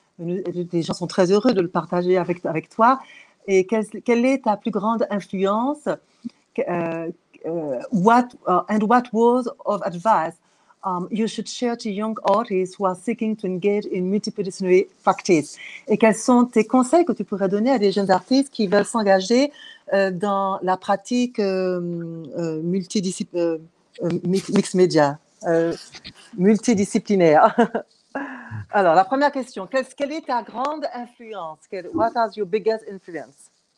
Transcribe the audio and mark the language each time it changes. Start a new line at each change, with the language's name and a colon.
French: Les gens sont très heureux de le partager avec toi. Et quelle est ta plus grande influence?
English: What words of advice you should share to young artists who are seeking to engage in multidisciplinary practice?
French: Et quels sont tes conseils que tu pourrais donner à des jeunes artistes qui veulent s'engager dans la pratique multidisciplinaire? Alors, la première question, quelle est ta grande influence?
English: What is your biggest influence?